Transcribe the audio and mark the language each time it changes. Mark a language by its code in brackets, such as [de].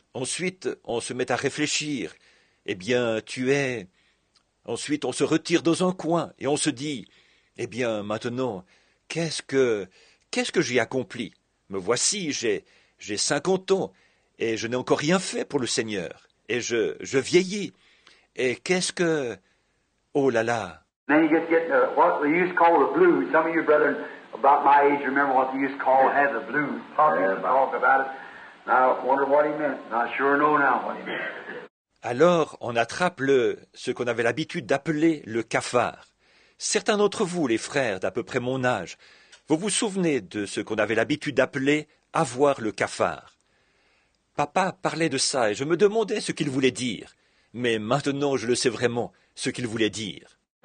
[fr] Ensuite, on se met à réfléchir. Eh bien, tu es... Ensuite, on se retire dans un coin, et on se dit, eh bien, maintenant, qu'est-ce que j'ai accompli? Me voici, j'ai 50 ans. Et je n'ai encore rien fait pour le Seigneur. Et je vieillis. Et qu'est-ce que... Oh là là! [en] Then you get the, what they used to call the blues. Some of you brethren about my age remember what they used to call have the blues. Talk about it. Now, I wonder what he meant. I sure know now what he meant. [fr] Alors, on attrape ce qu'on avait l'habitude d'appeler le cafard. Certains d'entre vous, les frères d'à peu près mon âge, vous vous souvenez de ce qu'on avait l'habitude d'appeler avoir le cafard. Papa parlait de ça et je me demandais ce qu'il voulait dire. Mais maintenant, je le sais vraiment, ce qu'il voulait dire.